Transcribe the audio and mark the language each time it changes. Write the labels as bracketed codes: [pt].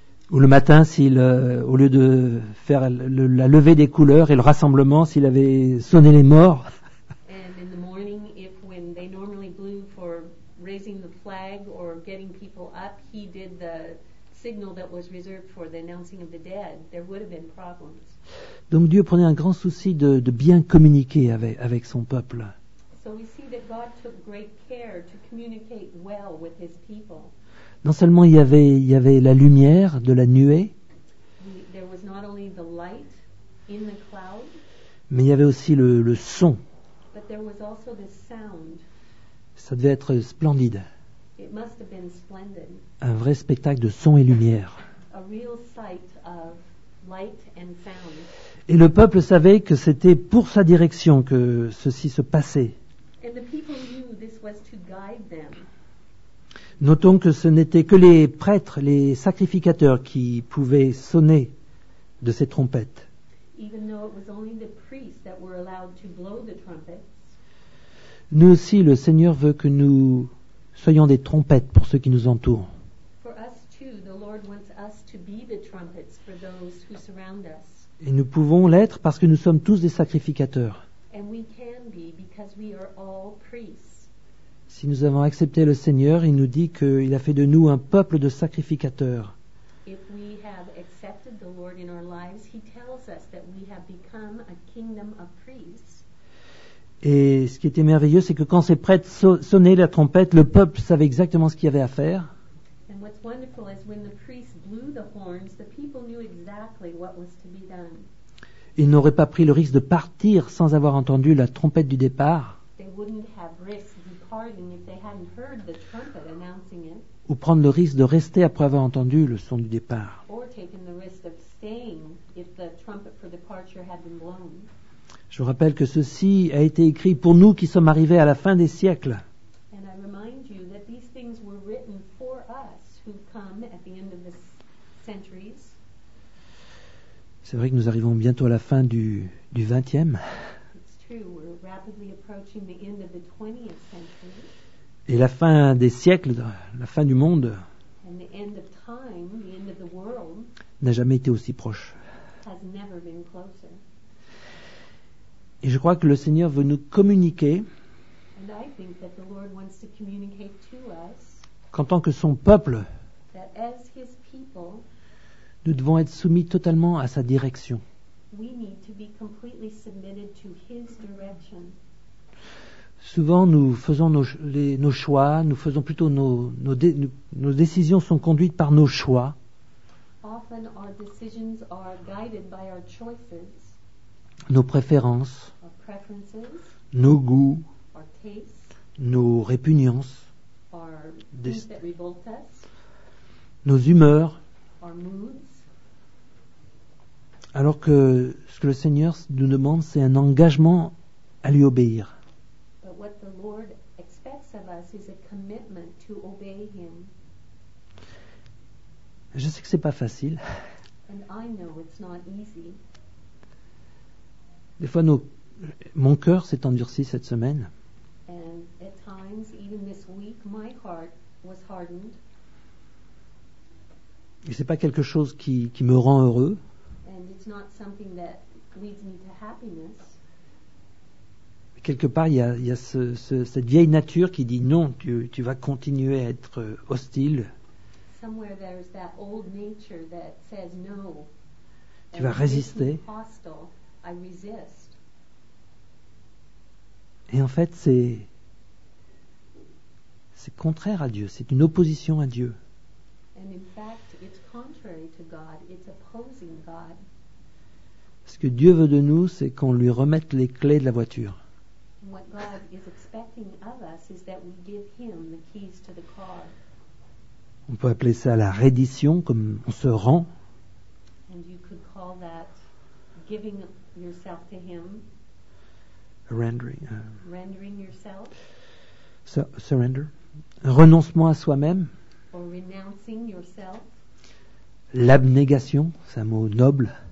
[fr] Ou le matin, au lieu de faire la levée des couleurs et le rassemblement, s'il avait sonné les morts. [en] And in the morning, if when they normally blew for raising the flag or getting people up, he did the signal that was reserved for the announcing of the dead, there would have been problems. [fr] Donc Dieu prenait un grand souci de bien communiquer avec son peuple. [en] So we see that God took great care to communicate well with his people. [fr] Non seulement il y avait la lumière de la nuée, [en] there was not only the light in the cloud, [fr] mais il y avait aussi le son. [en] But there was also the sound. [fr] Ça devait être splendide. [en] It must have been splendid. [fr] Un vrai spectacle de son et lumière. [en] A real sight of light and sound. [fr] Et le peuple savait que c'était pour sa direction que ceci se passait. [en] And the people knew this was to guide them. [fr] Notons que ce n'était que les prêtres, les sacrificateurs qui pouvaient sonner de ces trompettes. [en] Even though it was only the priests that were allowed to blow the trumpets. [fr] Nous aussi, le Seigneur veut que nous soyons des trompettes pour ceux qui nous entourent. [en] For us too, the Lord wants us to be the trumpets for those who surround us. [fr] Et nous pouvons l'être parce que nous sommes tous des sacrificateurs. [en] And we can be because we are all priests. [fr] Si nous avons accepté le Seigneur, il nous dit qu'il a fait de nous un peuple de sacrificateurs. [en] If we have accepted the Lord in our lives, he tells us that we have become a kingdom of priests. [fr] Et ce qui était merveilleux, c'est que quand ces prêtres sonnaient la trompette, le peuple savait exactement ce qu'il y avait à faire. [en] And what's wonderful is when the priests blew the horns, the people knew exactly what was to be done. [fr] Ils n'auraient pas pris le risque de partir sans avoir entendu la trompette du départ. [en] They wouldn't have risked. If they hadn't heard the trumpet announcing it, [fr] ou prendre le risque de rester après avoir entendu le son du départ. [en] Or taking the risk of staying if the trumpet for departure had been blown. [fr] Je vous rappelle que ceci a été écrit pour nous qui sommes arrivés à la fin des siècles. [en] And I remind you that these things were written for us who come at the end of the centuries. [fr] C'est vrai que nous arrivons bientôt à la fin du 20e. [en] We're rapidly approaching the end of the 20th century. [fr] Et la fin des siècles, la fin du monde, [en] and the end of time, the end of the world, [fr] n'a jamais été aussi proche. [en] Has never been closer. [fr] Et je crois que le Seigneur veut nous communiquer, [en] and I think that the Lord wants to communicate to us, [fr] qu'en tant que son peuple, [en] that as his people, [fr] nous devons être soumis totalement à sa direction. [en] We need to be completely submitted to his direction. [fr] Souvent, nous faisons nos choix, nous faisons plutôt nos décisions sont conduites par nos choix. [en] Often our decisions are guided by our choices, [fr] nos préférences, [en] our preferences, [fr] nos goûts, [en] our tastes, [fr] nos répugnances, [en] our things that revolt us, [fr] nos humeurs, [en] our moods. [fr] Alors que ce que le Seigneur nous demande, c'est un engagement à lui obéir. [en] But what the Lord expects of us is a commitment to obey him. [fr] Je sais que c'est pas facile. [en] And I know it's not easy. [fr] Des fois, mon cœur s'est endurci cette semaine. [en] And at times, even this week, my heart was hardened. [fr] Et c'est pas quelque chose qui me rend heureux. [en] And it's not something that leads me to happiness. [fr] Quelque part, il y a cette vieille nature qui dit non, tu vas continuer à être hostile. [en] Somewhere there's that old nature that says no. [fr] Tu vas résister. [en] Hostile, I resist. [fr] Et en fait, c'est contraire à Dieu, c'est une opposition à Dieu. [en] And in fact, it's contrary to God. It's opposing God. [fr] Ce que Dieu veut de nous, c'est qu'on lui remette les clés de la voiture. [en] What God is expecting of us is that we give him the keys to the car. [fr] On peut appeler ça la reddition, comme on se rend. [en] And you could call that giving yourself to him. Rendering yourself. Surrender. [fr] Un renoncement à soi-même. [en] Or renouncing yourself. [fr] L'abnégation, c'est un mot noble.